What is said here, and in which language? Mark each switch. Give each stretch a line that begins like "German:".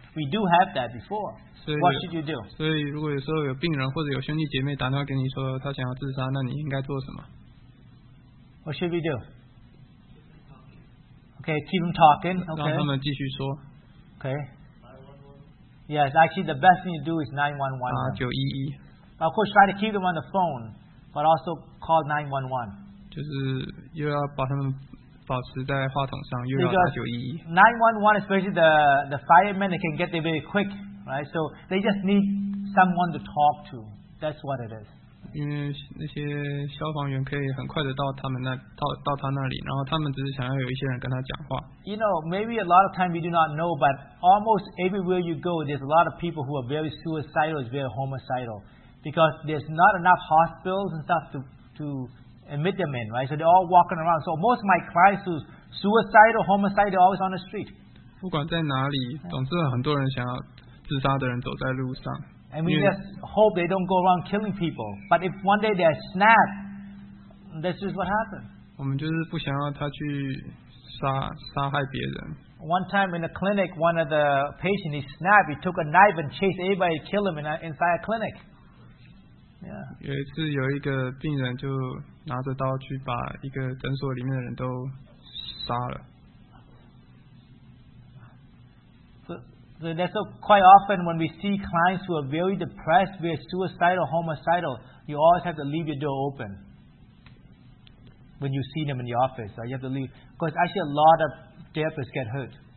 English: We do have that before. What should you do?
Chinese: 所以如果有时候有病人或者有兄弟姐妹打电话给你说他想要自杀，那你应该做什么？
English: What should we do? Okay, keep them talking. Okay.
Chinese: 让他们继续说。
English: Okay. Yes, actually the best thing to do is 911. 911. Of course, try to keep them on the phone, but also call 911.
Chinese: 就是又要把他们保持在话筒上，又要打911。
English: 911, especially the firemen, they can get there very quick, right? So they just need someone to talk to. That's what it is.
Chinese: 因为那些消防员可以很快的到他们那到他那里，然后他们只是想要有一些人跟他讲话。
English: You know, maybe a lot of time you do not know, but almost everywhere you go, there's a lot of people who are very suicidal, very homicidal, because there's not enough hospitals and stuff to admit them in, right? So they're all walking around. So most of my clients who's suicidal, homicidal, they're always on the street.
Chinese: 不管在哪里，总是很多人想要自杀的人走在路上。
English: And we just hope they don't go around killing people. But if one day they're snapped, this is what happens.
Chinese: 我们就是不想要他去杀害别人。
English: One time in a clinic, one of the patients, he snapped. He took a knife and chased everybody, killed him inside a clinic. Yeah.
Chinese: 有一次有一个病人就拿着刀去把一个诊所里面的人都杀了。
English: So that's so quite often when we see clients who are very depressed, very suicidal, homicidal, you always have to leave your door open when you see them in the office. Right? You have to leave. Because actually a lot of therapists get hurt.